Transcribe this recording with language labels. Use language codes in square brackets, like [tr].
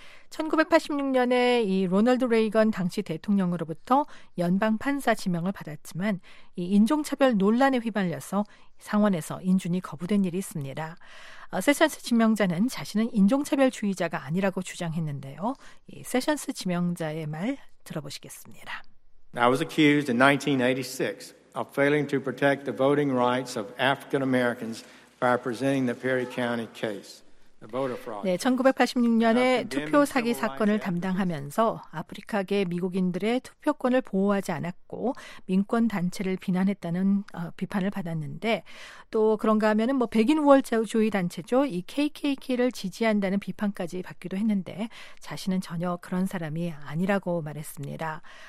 [ko] 1986년에 이 로널드 레이건 당시 대통령으로부터 연방판사 지명을 받았지만 이 인종차별 논란에 휘말려서 상원에서 인준이 거부된 일이 있습니다. 세션스 지명자는 자신은 인종차별주의자가 아니라고 주장했는데요. 이 세션스 지명자의 말 들어보시겠습니다. [en] I was accused in 1986 of failing to protect the voting rights of African Americans by presenting the Perry County case. [ko] 네, 1986년에 투표 사기 사건을 담당하면서 아프리카계 미국인들의 투표권을 보호하지 않았고 민권단체를 비난했다는 비판을 받았는데 또 그런가 하면 뭐 백인 우월주의 단체죠. 이 KKK를 지지한다는 비판까지 받기도 했는데 자신은 전혀 그런 사람이 아니라고 말했습니다.